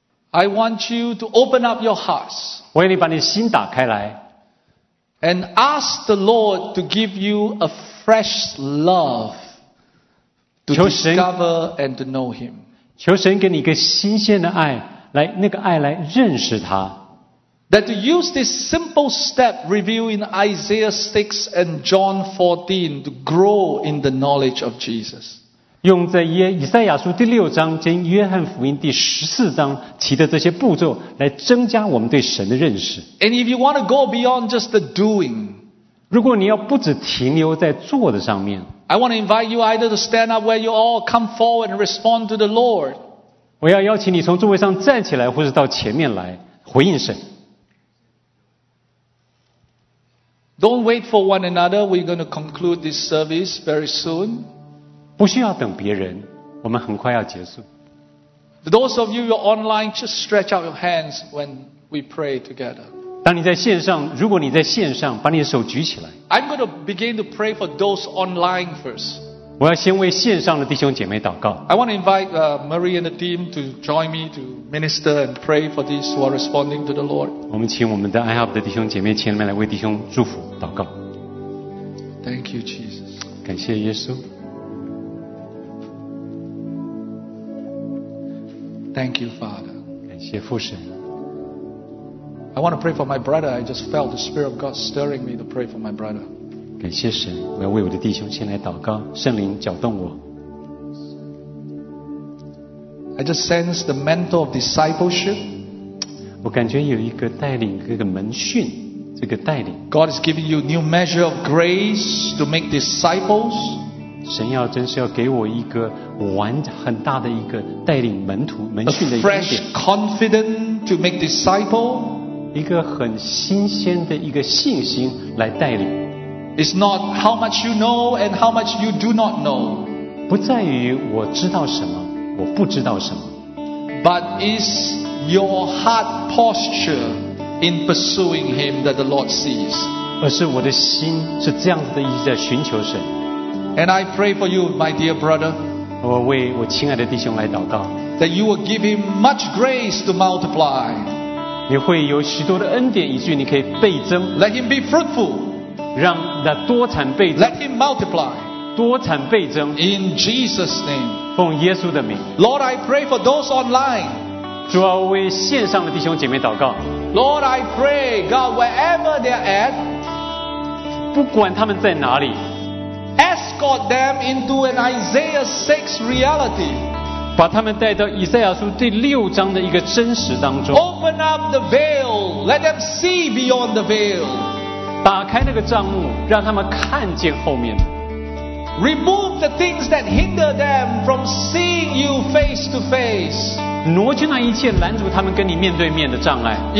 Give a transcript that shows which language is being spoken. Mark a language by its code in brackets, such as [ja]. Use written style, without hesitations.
[en] I want you to open up your hearts. [zh] 我要你把你心打开来。 [en] And ask the Lord to give you a fresh love to discover and to know Him. [zh] 求神给你一个新鲜的爱，来那个爱来认识他。 [en] That to use this simple step revealed in Isaiah 6 and John 14 to grow in the knowledge of Jesus. [zh] 用在以赛亚书第六章兼约翰福音第十四章提的这些步骤来增加我们对神的认识。 [en] And if you want to go beyond just the doing, [zh] 如果你要不只停留在做的上面， [en] I want to invite you either to stand up where you all come forward and respond to the Lord. [zh] 我要邀请你从座位上站起来或是到前面来回应神。 [en] Don't wait for one another. We're going to conclude this service very soon. [zh] 不需要等别人，我们很快要结束。 [en] Those of you who are online, just stretch out your hands when we pray together. [zh] 当你在线上，如果你在线上，把你的手举起来。 [en] I'm going to begin to pray for those online first. [zh] 我要先为线上的弟兄姐妹祷告。 [en] I want to invite Marie and the team to join me to minister and pray for these who are responding to the Lord. [zh] 我们请我们的 iHub 的弟兄姐妹前面来为弟兄祝福祷告。 [en] Thank you, Jesus. [zh] 感谢耶稣。 [en] Thank you, Father. [zh] 感谢父神。 [en] I want to pray for my brother. I just felt the Spirit of God stirring me to pray for my brother. [zh] 感谢神，我要为我的弟兄先来祷告，圣灵搅动我。 [en] I just sense the mantle of discipleship. [zh] 我感觉有一个带领，一个门训，这个带领。 [en] God is giving you new measure of grace to make disciples. [zh] 神要真是要给我一个完很大的一个带领门徒门训的一个 [en] 恩典。A fresh confidence to make disciple. [zh] 一个很新鲜的一个信心来带领。 [en] It's not how much you know and how much you do not know. [zh] 不在于我知道什么，我不知道什么。 [en] But is your heart posture in pursuing him that the Lord sees? [zh] 而是我的心是这样子的，一直在寻求神。 [en] And I pray for you, my dear brother. [zh] 我为我亲爱的弟兄来祷告。 [en] That you will give him much grace to multiply. [zh] 你会有许多的恩典，以至于你可以倍增。 [en] Let him be fruitful， [zh] 让那多产倍增。 [en] Let him multiply， [zh] 多产倍增。 [en] In Jesus' name， [zh] 奉耶稣的名。 [en] Lord， I pray for those online， [zh] 主啊，为线上的弟兄姐妹祷告。 [en] Lord， I pray， God， wherever they are at， [zh] 不管他们在哪里 [en] ，escort them into an Isaiah 6 reality。 [zh] 把他们带到以赛亚书第六章的一个真实当中。 [en] Open up the veil, let them see beyond the veil. [zh] 打开那个帐幕，让他们看见后面。 [en] Remove the things that hinder them from seeing you face to face. [zh] 挪去那一切拦阻他们跟你面对面的障碍。